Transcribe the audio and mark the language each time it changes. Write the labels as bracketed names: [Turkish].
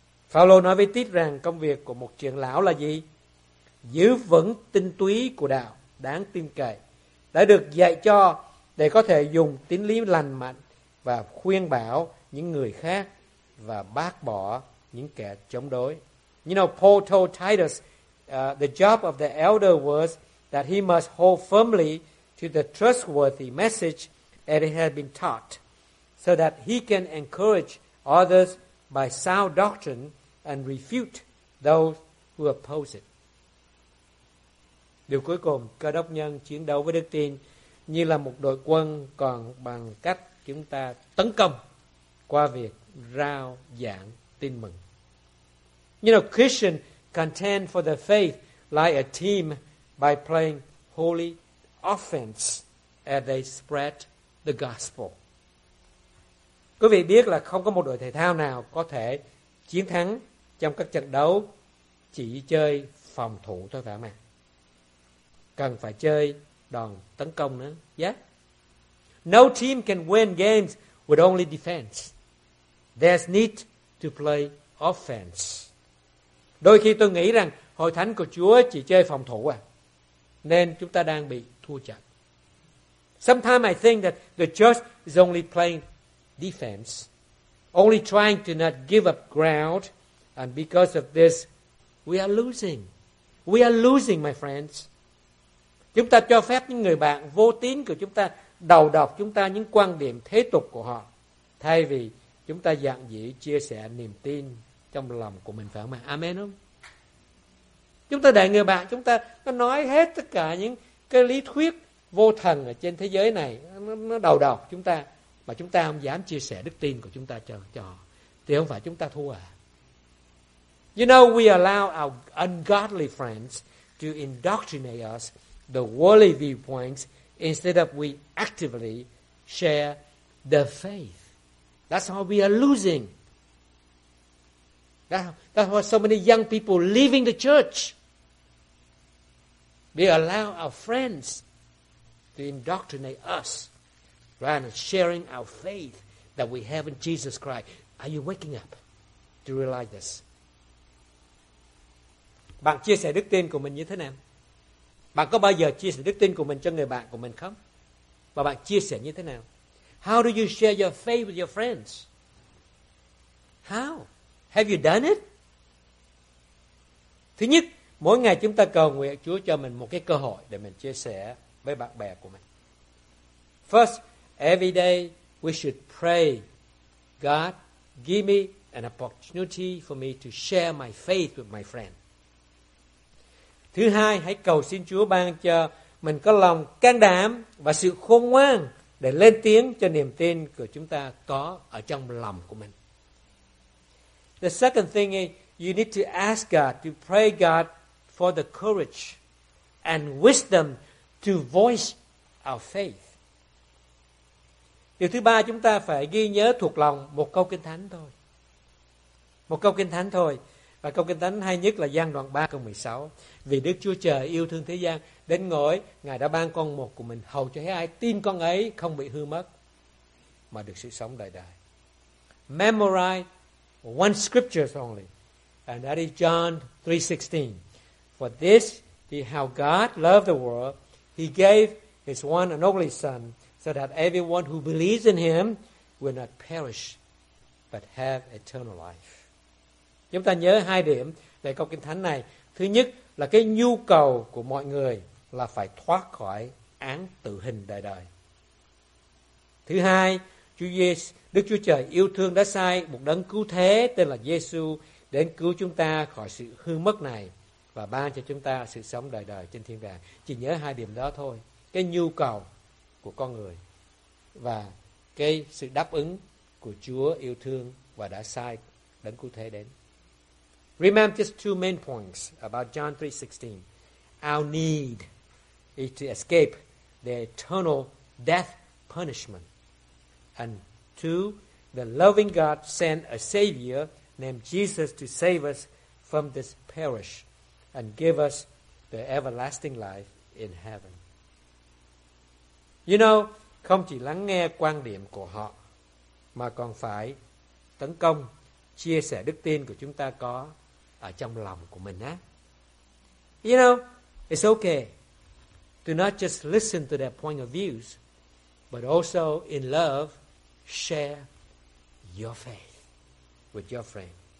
[Vietnamese] Phao-lô nói với Tít rằng công việc của một trưởng lão là gì? Giữ vững tinh túy của đạo đáng tin cậy, đã được dạy cho để có thể dùng tín lý lành mạnh và khuyên bảo những người khác và bác bỏ những kẻ chống đối. [English] You know, Paul told Titus the job of the elder was that he must hold firmly to the trustworthy message that it had been taught, so that he can encourage others by sound doctrine and refute those who oppose it. [Vietnamese] Điều cuối cùng, cơ đốc nhân chiến đấu với đức tin như là một đội quân, còn bằng cách chúng ta tấn công qua việc rao giảng tin mừng. [English] You know, Christians contend for the faith like a team by playing holy offense as they spread the gospel. [Vietnamese] Quý vị biết là không có một đội thể thao nào có thể chiến thắng trong các trận đấu chỉ chơi phòng thủ thôi phải không ạ? Cần phải chơi đòn tấn công nữa. [English] Yeah. No team can win games with only defense. There's need to play offense. [Vietnamese] Đôi khi tôi nghĩ rằng hội thánh của Chúa chỉ chơi phòng thủ à, nên chúng ta đang bị thua trận. [English] Sometimes I think that the church is only playing defense, only trying to not give up ground, and because of this, we are losing. We are losing, my friends. [Vietnamese] Chúng ta cho phép những người bạn vô tín của chúng ta đầu độc chúng ta những quan điểm thế tục của họ, thay vì chúng ta dạng dĩ chia sẻ niềm tin trong lòng của mình, phải không ạ? Amen không? Chúng ta để người bạn chúng ta nói hết tất cả những cái lý thuyết vô thần ở trên thế giới này, nó đầu độc chúng ta, mà chúng ta không dám chia sẻ đức tin của chúng ta cho họ, thì không phải chúng ta thua à? [English] You know, we allow our ungodly friends to indoctrinate us the worldly viewpoints instead of we actively share the faith. That's how we are losing. That's why so many young people leaving the church. We allow our friends to indoctrinate us rather than sharing our faith that we have in Jesus Christ. Are you waking up to realize this? [Vietnamese] Bạn chia sẻ đức tin của mình như thế nào? Bạn có bao giờ chia sẻ đức tin của mình cho người bạn của mình không? Và bạn chia sẻ như thế nào? [English] How do you share your faith with your friends? How? Have you done it? [Vietnamese] Thứ nhất, mỗi ngày chúng ta cầu nguyện Chúa cho mình một cái cơ hội để mình chia sẻ với bạn bè của mình. [English] First, every day we should pray, God, give me an opportunity for me to share my faith with my friend. [Vietnamese] Thứ hai, hãy cầu xin Chúa ban cho mình có lòng can đảm và sự khôn ngoan để lên tiếng cho niềm tin của chúng ta có ở trong lòng của mình. [English] The second thing is you need to ask God to pray God for the courage and wisdom to voice our faith. [Vietnamese] Điều thứ ba, chúng ta phải ghi nhớ thuộc lòng một câu kinh thánh thôi. Một câu kinh thánh thôi. Và câu kinh thánh hay nhất là Giăng đoạn 3 câu 16. Vì Đức Chúa Trời yêu thương thế gian đến nỗi Ngài đã ban con một của mình hầu cho ai tin con ấy không bị hư mất mà được sự sống đời đời. [English] Memorize one scripture only, and that is John 3:16. For this is how God loved the world, he gave his one and only son, so that everyone who believes in him will not perish but have eternal life. [Vietnamese] Chúng ta nhớ hai điểm về câu kinh thánh này. Thứ nhất là cái nhu cầu của mọi người là phải thoát khỏi án tử hình đời đời. Thứ hai, Đức Chúa Trời yêu thương đã sai một đấng cứu thế tên là Giê-xu đến cứu chúng ta khỏi sự hư mất này và ban cho chúng ta sự sống đời đời trên thiên đàng. Chỉ nhớ hai điểm đó thôi. Cái nhu cầu của con người và cái sự đáp ứng của Chúa yêu thương và đã sai đấng cứu thế đến. [English] Remember just two main points about John 3:16. Our need is to escape the eternal death punishment. And two, the loving God sent a Savior named Jesus to save us from this perish and give us the everlasting life in heaven. You know, [Vietnamese] không chỉ lắng nghe quan điểm của họ, mà còn phải tấn công chia sẻ đức tin của chúng ta có ở trong lòng của mình á. [English] You know, it's okay to not just listen to their point of views, but also in love, share your faith with your friend.